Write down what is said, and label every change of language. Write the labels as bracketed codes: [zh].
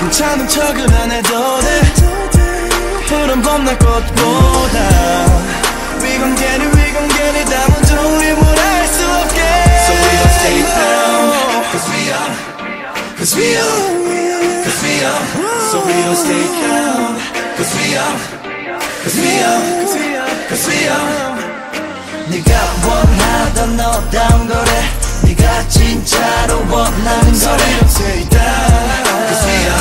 [ko] 괜찮은 척은 안 해도 돼 푸른 봄날 꽃보다 [en] We gon' get it, we gon' get it [ko] 아무 조립을 할 수 없게 [en] So we don't stay down Cause we are, cause we are, cause we are So we don't stay down Cause we are, cause we are Cause we are [ko] 네가 원하던 너다운 거래 네가 진짜로 원하는 거래 [en] So we don't stay down Cause we are